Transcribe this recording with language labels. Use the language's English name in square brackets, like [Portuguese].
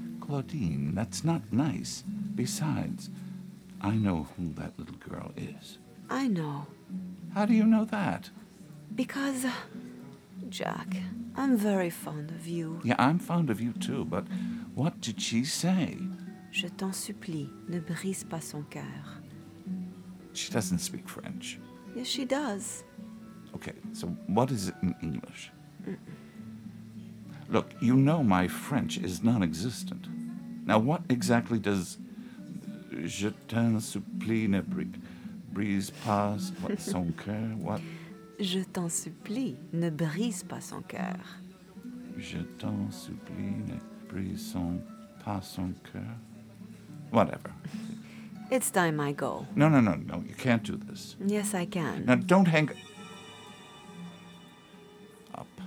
[English] Claudine, that's not nice. Besides, I know who that little girl is. I know. How do you know that? Because... Jack, I'm very fond of you. Yeah, I'm fond of you too, but what did she say? [French] Je t'en supplie, ne brise pas son cœur. [English] She doesn't speak French. Yes, she does. Okay, so what is it in English? Mm-mm. Look, you know my French is non-existent. Now, what exactly does [French] je t'en supplie, ne brise pas son cœur, [English] what... [French] Je t'en supplie, ne brise pas son cœur. Je t'en supplie, ne brise son, pas son cœur. [English] Whatever. It's time I go. No, no, no, no, you can't do this. Yes, I can. Now, don't hang... up.